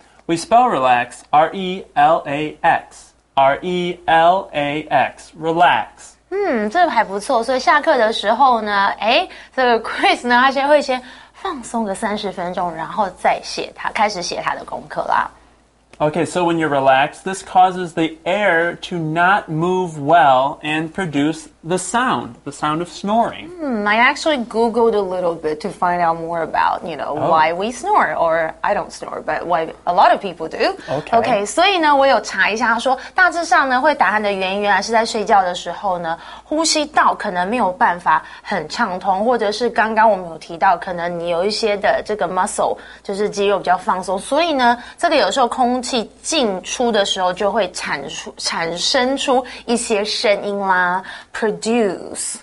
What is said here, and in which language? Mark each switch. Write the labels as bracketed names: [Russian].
[English] We spell relax, R-E-L-A-X, R-E-L-A-X, relax. [Chinese] 这还不错。所以下课的时候呢，诶，这个 Chris 呢，他先会先放松个30分钟，然后再写他，开始写他的功课啦。 [English] Okay, so when you're relaxed, this causes the air to not move well and produce the sound of snoring. I actually Googled a little bit to find out more about, you know, why we snore, or I don't snore, but why a lot of people do. Okay, [Chinese] 所以呢，我有查一下，说大致上呢，会打鼾的原因原来是在睡觉的时候呢，呼吸道可能没有办法很畅通，或者是刚刚我们有提到，可能你有一些的这个 muscle, 就是肌肉比较放松，所以呢，这个有时候空气进出的时候就会产生出一些声音啦 produce.